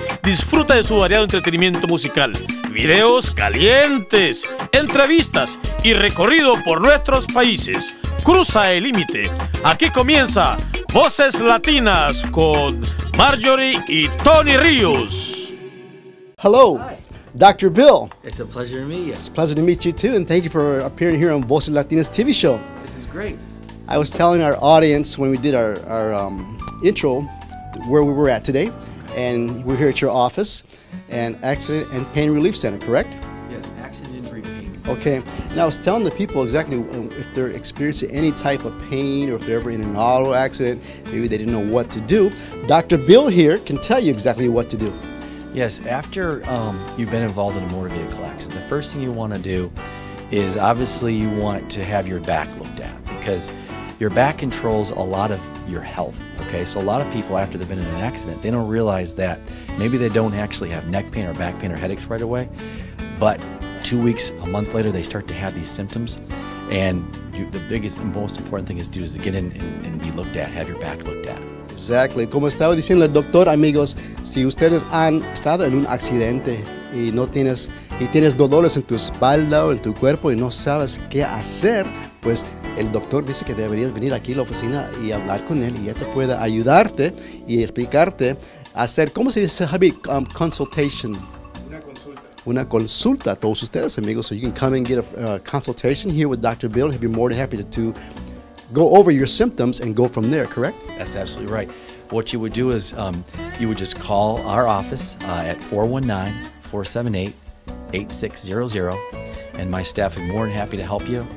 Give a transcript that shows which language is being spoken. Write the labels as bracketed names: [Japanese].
[Spanish] Disfruta de su variado entretenimiento musical, videos calientes, entrevistas y recorrido por nuestros países. Cruza el límite. Aquí comienza Voces Latinas con Marjorie y Tony Ríos. [English] Hello. Dr. Bill. It's a pleasure to meet you. It's a pleasure to meet you too, and thank you for appearing here on Voces Latinas TV Show. This is great. I was telling our audience when we did our intro where we were at today, and we're here at your office and Accident and Pain Relief Center, correct? Yes, Accident Injury Pain Center. Okay, and I was telling the people exactly if they're experiencing any type of pain or if they're ever in an auto accident, maybe they didn't know what to do. Dr. Bill here can tell you exactly what to do. Yes, after you've been involved in a motor vehicle accident, the first thing you want to do is obviously you want to have your back looked at, because your back controls a lot of your health, okay? So a lot of people, after they've been in an accident, they don't realize that maybe they don't actually have neck pain or back pain or headaches right away, but 2 weeks, a month later, they start to have these symptoms, and the biggest and most important thing is to get in and be looked at, have your back looked at. Exactly. [Spanish] Como estaba diciendo el doctor, amigos, si ustedes han estado en un accidente y tienes dolores en tu espalda o en tu cuerpo y no sabes qué hacer, pues el doctor dice que deberías venir aquí a la oficina y hablar con él y él te pueda ayudarte y explicarte hacer, ¿cómo se dice, Javi? [English] Consultation. [Spanish] Una consulta. Una consulta, todos ustedes, amigos. [English] So you can come and get a consultation here with Dr. Bill. He'll be more than happy to go over your symptoms and go from there, correct? That's absolutely right. What you would do is you would just call our office at 419-478-8600, and my staff is more than happy to help you.